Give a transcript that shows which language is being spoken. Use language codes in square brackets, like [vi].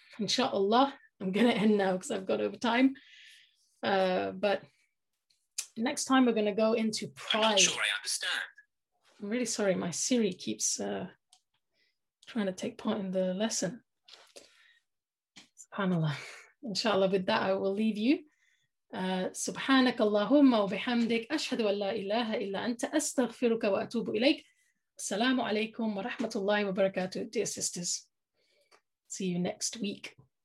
[en] Inshallah, I'm going to end now because I've got over time. But next time we're going to go into pride. I'm not sure I understand. I'm really sorry. My Siri keeps trying to take part in the lesson. SubhanAllah. Inshallah, with that, I will leave you. [ar] سبحانك اللهم وبحمدك أشهد أن لا إله إلا أنت أستغفرك وأتوب إليك. السلام عليكم ورحمة الله وبركاته. [en] Dear sisters, see you next week.